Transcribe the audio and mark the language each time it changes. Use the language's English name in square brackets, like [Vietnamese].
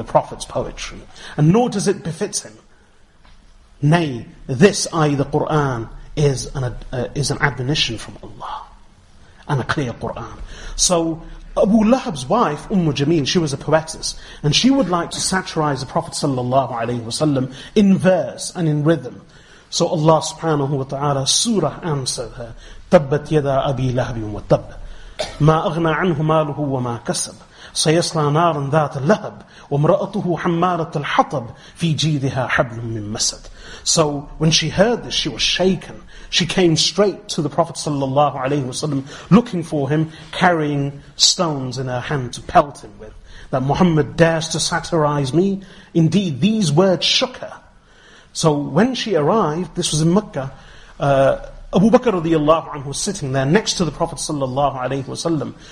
[English] the Prophet's poetry, and nor does it befit him. Nay, this, i.e. the Qur'an, is an admonition from Allah, and a clear Qur'an. So Abu Lahab's wife, Umm Jameel, she was a poetess, and she would like to satirize the Prophet sallallahu alaihi wasallam in verse and in rhythm. So Allah subhanahu wa ta'ala, surah answered her, [Arabic] تَبَّتْ يَدَا أَبِي لَهَبٍ وَتَبَّ مَا أَغْنَى عَنْهُ مَالُهُ وَمَا كَسَبْ سَيَصْلَى نَارًا ذَاتَ لَهَبْ وَمْرَأَتُهُ حَمَّالَةَ الْحَطَبْ فِي جِيدِهَا حَبْلٌ مِّن مَسَدْ. [English] So when she heard this, she was shaken. She came straight to the Prophet sallallahu alayhi wasallam, looking for him, carrying stones in her hand to pelt him with. That Muhammad dares to satirize me? Indeed, these words shook her. So when she arrived, this was in Mecca, Abu Bakr radiallahu anhu was sitting there next to the Prophet sallallahu alayhi wasallam.